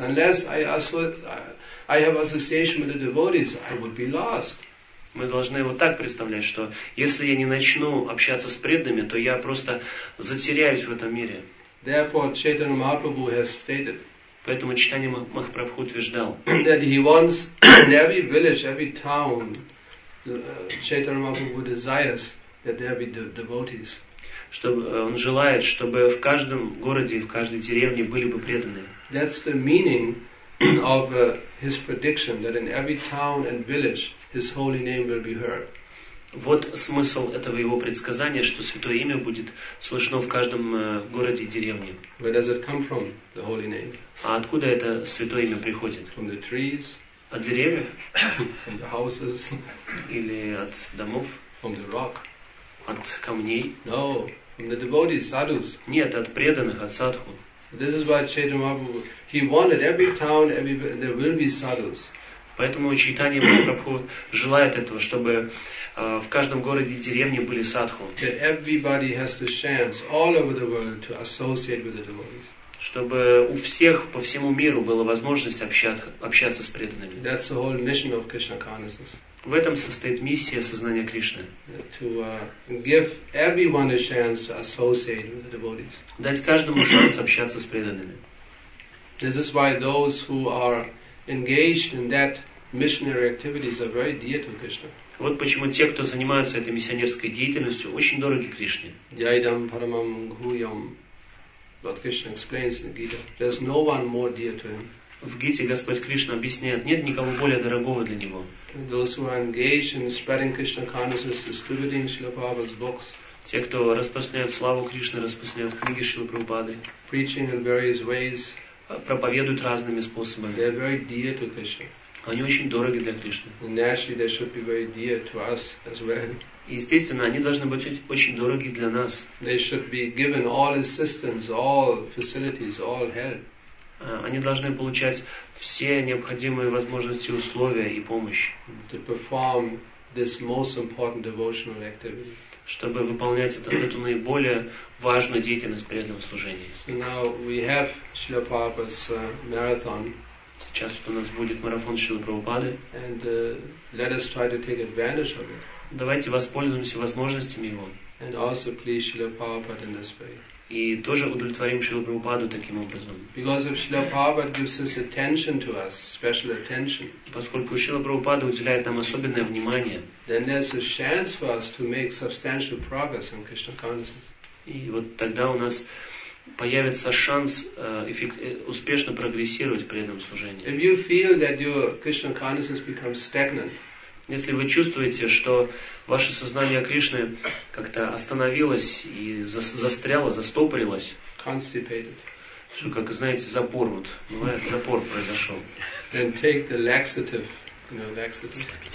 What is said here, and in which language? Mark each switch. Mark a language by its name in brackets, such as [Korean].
[English] Unless I have association with the devotees, I would be lost. [Russian] Мы должны вот так представлять, что если я не начну общаться с преданными, то я просто затеряюсь в этом мире. [English] Therefore, Chaitanya Mahaprabhu has stated, [Russian] поэтому Чайтанья Махапрабху утверждал, [English] that he wants in every village, every town, Chaitanya Mahaprabhu desires that there be devotees. [Russian] Чтобы он желает, чтобы в каждом городе, в каждой деревне были бы преданные. [English] That's the meaning of his prediction that in every town and village his holy name will be heard. [Russian] Вот смысл этого его предсказания, что святое имя будет слышно в каждом городе и деревне. [English] Where does it come from, the holy name? [Russian] А откуда это святое имя приходит? [English] From the trees? [Russian] От деревьев? [English] From the houses? [Russian] Или от домов? [English] From the rock? [Russian] От камней? [English] No, from the devotees, sadhus. [Russian] Нет, от преданных, от садху. [English] This is why Chaitanya Mahaprabhu, he wanted every town, every there will be sadhus. [Russian] Поэтому Чайтанья Махапрабху желает этого, чтобы в каждом городе и деревне были садху. [English] That everybody has the chance all over the world to associate with the devotees. [Russian] Чтобы у всех по всему миру была возможность общаться с преданными. [English] That's the whole mission of Krishna consciousness. [Russian] В этом состоит миссия сознания Кришны. [English] To give everyone a chance to associate with the devotees. [Russian] Дать каждому шанс общаться с преданными. [English] This is why those who are engaged in that missionary activities are very dear to Krishna. [Russian] Вот почему те, кто занимаются этой миссионерской деятельностью, очень дороги Кришне. Jayadam paramam guhyam. [English] Lord Krishna explains in Gita. There's no one more dear to him. [Russian] В Гите Господь Кришна объясняет, нет никого более дорогого для него. [English] Those who are engaged in spreading Krishna consciousness, distributing Srila Prabhupada's books. [Russian] Те, кто распространяет славу Кришны, распространяют книги Шрилы Прабхупады. [English] Preaching in various ways. [Russian] Проповедуют разными способами. [English] They are very dear to Krishna. [Russian] Они очень дороги для Кришны. [English] And naturally, they should be very dear to us as well. [Russian] Естественно, они должны быть очень дороги для нас. [English] They should be given all assistance, all facilities, all help. [Russian] Они должны получать все необходимые возможности, условия и помощь. [English] To perform this most important devotional activity. [Russian] Чтобы выполнять эту наиболее важную деятельность преданного служения. [English] So now we have Srila Prabhupada's marathon. [Russian] Сейчас у нас будет марафон Шрилы Прабхупады. [English] And let us try to take advantage of it. [Russian] Давайте воспользуемся возможностями его. [English] And also please Srila Prabhupada in this way. [Russian] И тоже удовлетворим Шрилу Прабхупаду таким образом. [English] Because if Srila Prabhupada gives his attention to us, special attention, [Russian] поскольку Шрила Прабхупада уделяет нам особенное внимание, [English] then there's a chance for us to make substantial progress in Krishna consciousness. [Russian] И вот тогда у нас появится шанс успешно прогрессировать в преданном служении. [English] If you feel that your Krishna consciousness becomes stagnant, [Russian] если вы чувствуете, что ваше сознание Кришны как-то остановилось и застряло, застопорилось, [English] constipated, [Russian] что, как знаете, запор вот, бывает, запор произошел. [English] Then take the laxative, you know, laxative.